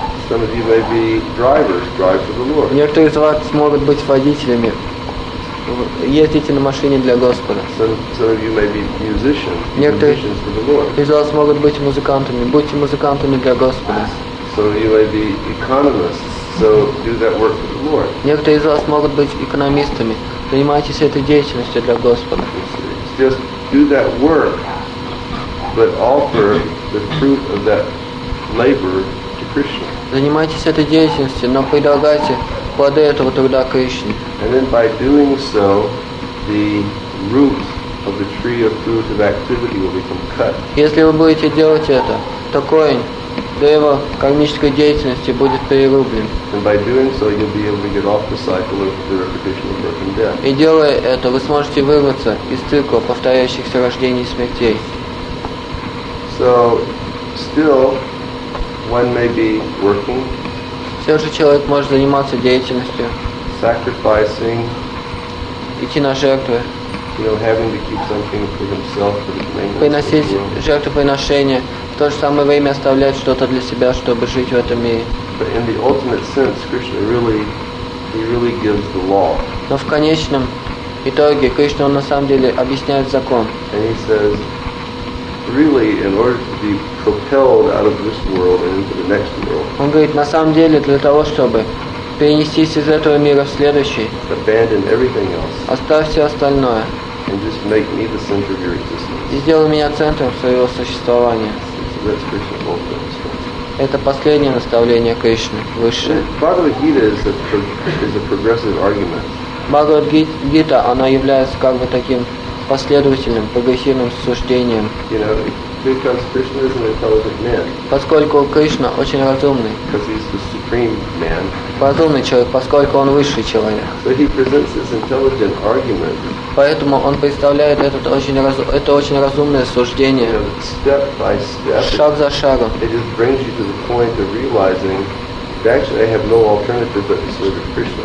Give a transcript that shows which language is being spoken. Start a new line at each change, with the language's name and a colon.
English: Some of you may be drivers, drive for the Lord.
Russian: Некоторые из вас могут быть водителями. Ездите на машине для Господа.
English: Some of you may be musicians, musicians for the Lord.
Russian: Некоторые из вас могут быть музыкантами. Будьте музыкантами для Господа.
English: Some of you may be economists, so do that work for the Lord.
Russian: Некоторые из вас могут быть экономистами. Занимайтесь этой деятельностью для Господа.
English: Just do that work, but offer the fruit of that labor to Krishna.
Russian: Занимайтесь этой деятельностью, но предлагайте плоды этого труда Кришне.
English: And then by doing so, the root of the tree of fruit of activity will become cut.
Russian: Если вы будете делать это, то корень древа кармической деятельности будет перерублен.
English: And by doing so, you'll be able to get off the cycle of the repetition of birth and death.
Russian: И делая это, вы сможете вырваться из цикла повторяющихся рождений и смертей.
English: So, still, one may be working.
Russian: Все же человек может заниматься деятельностью.
English: Sacrificing.
Russian: Идти на жертвы.
English: You know, having to keep something for himself, for the maintenance of the world.
Russian: Приносить жертвоприношения, в то же самое время оставлять что-то для себя, чтобы жить в этом мире.
English: But in the ultimate sense, Krishna really gives the law.
Russian: Но в конечном итоге Кришна на самом деле объясняет закон.
English: And he says, really, in order to be propelled out of this world and into the next world.
Russian: Он говорит, на самом деле для того, чтобы перенестись из этого мира в следующий.
English: Abandon everything else.
Russian: Оставь все остальное.
English: And just make me the center of your existence.
Russian: И сделай меня центром своего существования.
English: So that's Krishna's ultimate instruction.
Russian: Это последнее наставление Кришны, высшее.
English: Bhagavad Gita is a progressive argument.
Russian: Bhagavad Gita, она является как бы таким последовательным, прогрессивным суждением.
English: You know,
Russian: поскольку Кришна очень разумный.
English: Because he's the supreme man.
Russian: Разумный человек, поскольку он высший человек.
English: So he presents this intelligent argument.
Russian: Поэтому он представляет это очень разумное суждение.
English: You know, step by step,
Russian: шаг за шагом.
English: It just brings you to the point of realizing actually, I have no alternative but to serve Krishna.